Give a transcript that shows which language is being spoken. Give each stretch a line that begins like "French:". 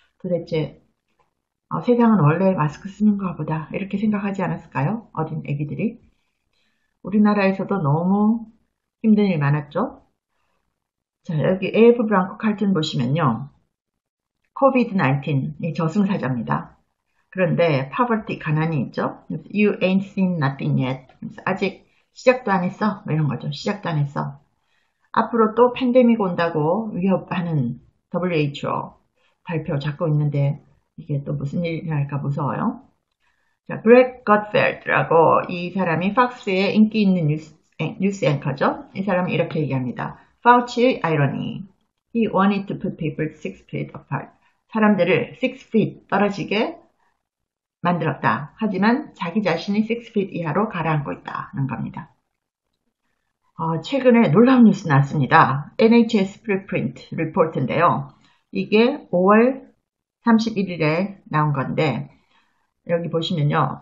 Korean: 도대체 세상은 원래 마스크 쓰는가 보다 이렇게 생각하지 않았을까요? 어린 애기들이. 우리나라에서도 너무 힘든 일 많았죠? 자, 여기 AF 브랑코 칼튼 보시면요. COVID-19이 저승사자입니다. 그런데 poverty 가난이 있죠.
English: You ain't seen nothing yet.
Korean: 아직 시작도 안 했어. 뭐 이런 거죠. 시작도 안 했어. 앞으로 또 팬데믹 온다고 위협하는 WHO 발표 잡고 있는데 이게 또 무슨 일이 날까 무서워요. 자, 그렉 것펠드라고 이 사람이 팍스의 인기 있는 뉴스 앵커죠. 이 사람이 이렇게 얘기합니다. Fauci의 irony.
English: He wanted to put people 6 feet apart.
Korean: 사람들을 6 feet 떨어지게 만들었다. 하지만 자기 자신이 6피트 이하로 가라앉고 있다는 겁니다. 최근에 놀라운 뉴스 나왔습니다. NHS 프리프린트 리포트인데요. 이게 5월 31일에 나온 건데 여기 보시면요.